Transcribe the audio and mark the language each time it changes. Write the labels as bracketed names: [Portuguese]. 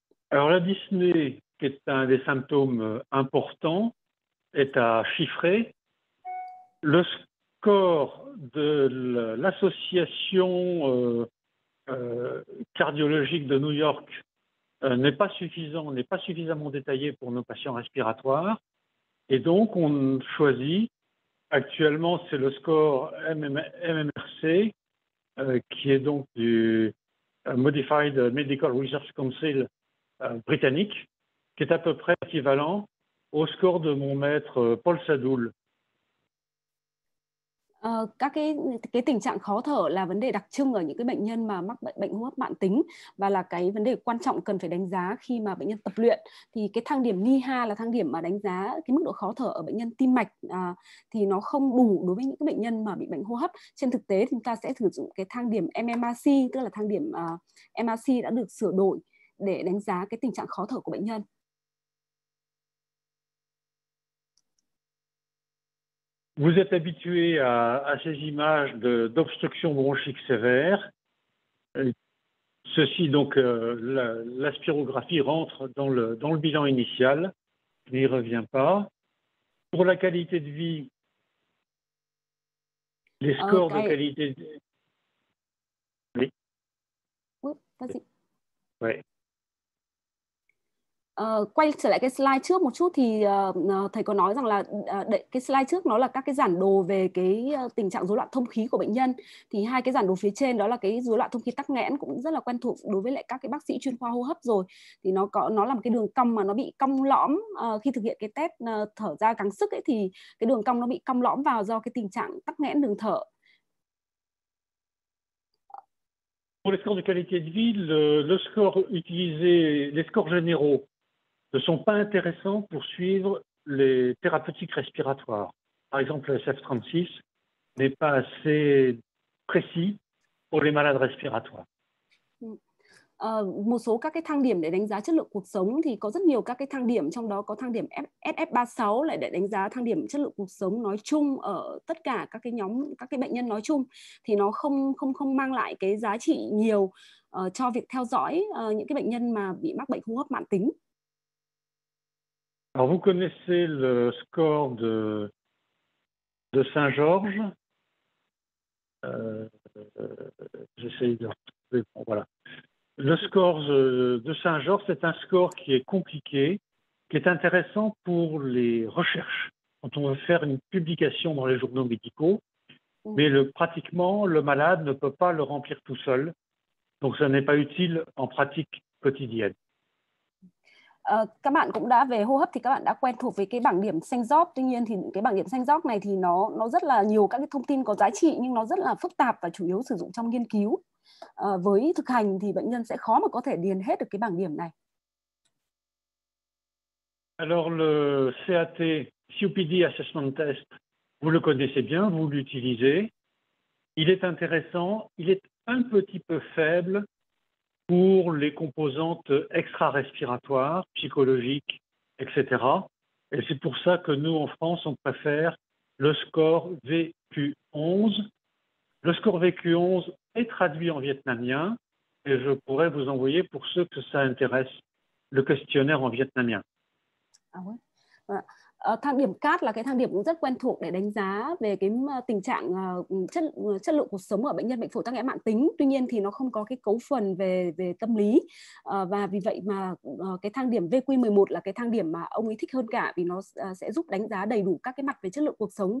[French] Alors la dyspnée, qui est un des symptômes importants, est à chiffrer. Le score de l'association cardiologique de New York n'est pas suffisant, n'est pas suffisamment détaillé pour nos patients respiratoires. Et donc, on choisit, actuellement, c'est le score MMRC, qui est donc du Modified Medical Research Council britannique, qui est à peu près équivalent au score de mon maître Paul Sadoul. [Vietnamese] Các cái tình trạng khó thở là vấn đề đặc trưng ở những cái bệnh nhân mà mắc bệnh hô hấp mạn tính và là cái vấn đề quan trọng cần phải đánh giá khi mà bệnh nhân tập luyện. Thì cái thang điểm NYHA là thang điểm mà đánh giá cái mức độ khó thở ở bệnh nhân tim mạch thì nó không đủ đối với những cái bệnh nhân mà bị bệnh hô hấp. Trên thực tế chúng ta sẽ sử dụng cái thang điểm MMRC, tức là thang điểm MRC đã được sửa đổi để đánh giá cái tình trạng khó thở của bệnh nhân. [French] Vous êtes habitué à ces images d'obstruction bronchique sévère. Ceci, donc, l'aspirographie rentre dans le bilan initial. Je n'y reviens pas. Pour la qualité de vie, les scores de qualité de vie... Oui. Oui, vas-y. Oui. [Vietnamese] Quay trở lại cái slide trước một chút thì thầy có nói rằng là cái slide trước nó là các cái giản đồ về cái tình trạng rối loạn thông khí của bệnh nhân, thì hai cái giản đồ phía trên đó là cái rối loạn thông khí tắc nghẽn cũng rất là quen thuộc đối với lại các cái bác sĩ chuyên khoa hô hấp rồi, thì nó là một cái đường cong mà nó bị cong lõm khi thực hiện cái test thở ra gắng sức ấy, thì cái đường cong nó bị cong lõm vào do cái tình trạng tắc nghẽn đường thở. [French] Pour les scores de qualité de vie, le score utilisé, les scores généraux ne sont pas intéressants pour suivre les thérapeutiques respiratoires. Par exemple, le SF-36 n'est pas assez précis pour les malades respiratoires. [Vietnamese] Một số các cái thang điểm để đánh giá chất lượng cuộc sống thì có rất nhiều các cái thang điểm, trong đó có thang điểm SF-36 lại để đánh giá thang điểm chất lượng cuộc sống nói chung ở tất cả các cái nhóm, các cái bệnh nhân nói chung, thì nó không mang lại cái giá trị nhiều cho việc theo dõi những cái bệnh nhân mà bị mắc bệnh hô hấp mãn tính. [French] Alors vous connaissez le score de Saint-Georges. J'essaie de retrouver, voilà. Le score de Saint-Georges, c'est un score qui est compliqué, qui est intéressant pour les recherches, quand on veut faire une publication dans les journaux médicaux, mais pratiquement, le malade ne peut pas le remplir tout seul, donc ça n'est pas utile en pratique quotidienne. [Vietnamese] Các bạn cũng đã về hô hấp thì các bạn đã quen thuộc với cái bảng điểm Saint-Georges. Tuy nhiên thì cái bảng điểm Saint-Georges này thì nó rất là nhiều các cái thông tin có giá trị, nhưng nó rất là phức tạp và chủ yếu sử dụng trong nghiên cứu. Với thực hành thì bệnh nhân sẽ khó mà có thể điền hết được cái bảng điểm này. [French] Alors le CAT, COPD Assessment Test, vous le connaissez bien, vous l'utilisez. Il est intéressant, il est un petit peu faible pour les composantes extra-respiratoires, psychologiques, etc. Et c'est pour ça que nous, en France, on préfère le score VQ11. Le score VQ11 est traduit en vietnamien, et je pourrais vous envoyer, pour ceux que ça intéresse, le questionnaire en vietnamien. Ah oui. [Vietnamese] Thang điểm CAT là cái thang điểm cũng rất quen thuộc để đánh giá về cái tình trạng chất lượng cuộc sống ở bệnh nhân bệnh phổi tắc nghẽn mãn tính. Tuy nhiên thì nó không có cái cấu phần về tâm lý. Và vì vậy mà cái thang điểm VQ11 là cái thang điểm mà ông ấy thích hơn cả, vì nó sẽ giúp đánh giá đầy đủ các cái mặt về chất lượng cuộc sống.